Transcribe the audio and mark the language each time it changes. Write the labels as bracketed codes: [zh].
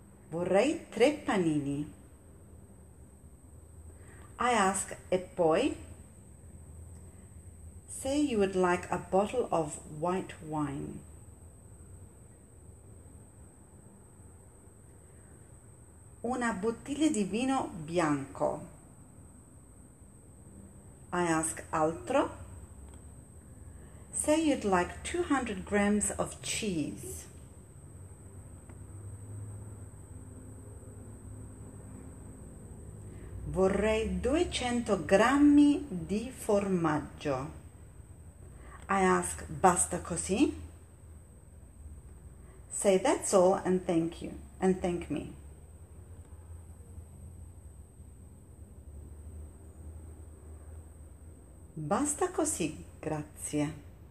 [it] Vorrei 3 panini. [en] I ask, [it] e poi? [en] Say you would like a bottle of white wine. [it] Una bottiglia di vino bianco. [en] I ask, [it] altro? [en] Say you'd like 200 grams of cheese. [it] Vorrei 200 grammi di formaggio. [en] I ask, [it] basta così? [en] Say that's all and thank you, and thank me. [it] Basta così, grazie.